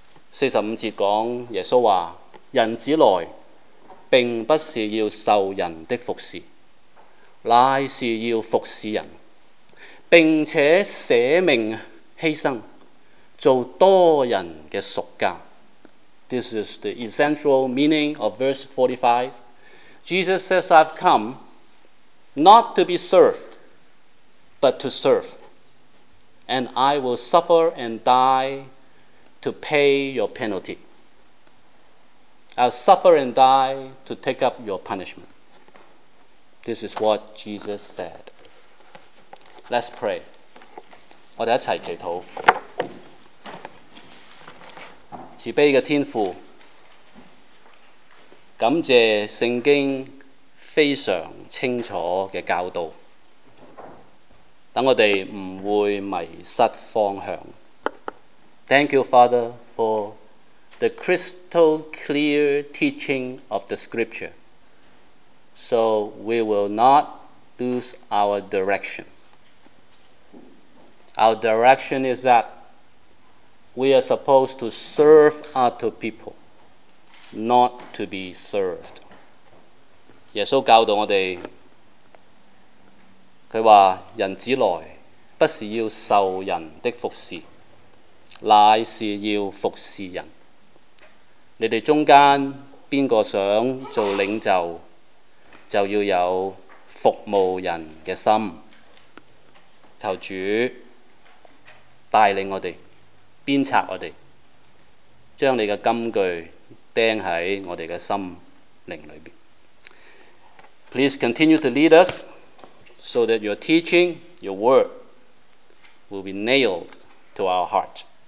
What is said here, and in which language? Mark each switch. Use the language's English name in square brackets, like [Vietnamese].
[Chinese] 四十五节说，耶稣说，人子来并不是要受人的服侍，乃是要服侍人，并且舍命牺牲，做多人的赎价。 [English] This is the essential meaning of verse 45. Jesus says, I've come not to be served, but to serve. And I will suffer and die to pay your penalty. I'll suffer and die to take up your punishment. This is what Jesus said. Let's pray. [Chinese] 我们一起祈祷。慈悲的天父，感谢圣经非常清楚的教导，让我们不会迷失方向。 [English] Thank you, Father, for the crystal clear teaching of the scripture, so we will not lose our direction. Our direction is that we are supposed to serve other people, not to be served. [Chinese] 耶稣教导我们，他说，人子来不是要受人的服侍，乃是要服侍人。你们中间边个想做领袖，就要有服务人的心。求主带领我们，鞭策我们，将你的金句钉在我们的心灵里面。 [English] Please continue to lead us so that your teaching, your word will be nailed to our heart.